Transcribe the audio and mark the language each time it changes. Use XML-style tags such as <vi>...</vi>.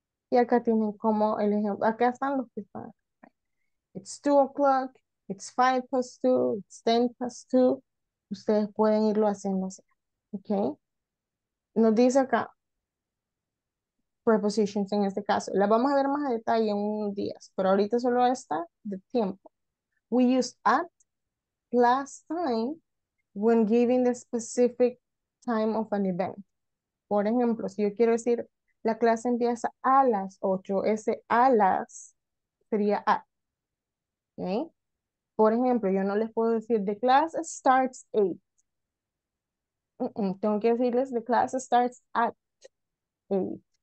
<es>Y acá tienen como el ejemplo. Acá están los que están. It's 2 o'clock, it's 5:05, it's 2:10. Ustedes pueden irlo haciendo así. ¿Ok? Nos dice acá, prepositions en este caso. Las vamos a ver más a detalle en unos días, pero ahorita solo está de tiempo.</es> <en>We use at, last time, when giving the specific time of an event.</en> <es>Por ejemplo, si yo quiero decir, la clase empieza a las 8, ese a las sería at. Okay. Por ejemplo, yo no les puedo decir the class starts 8. Tengo que decirles the class starts at 8.</es>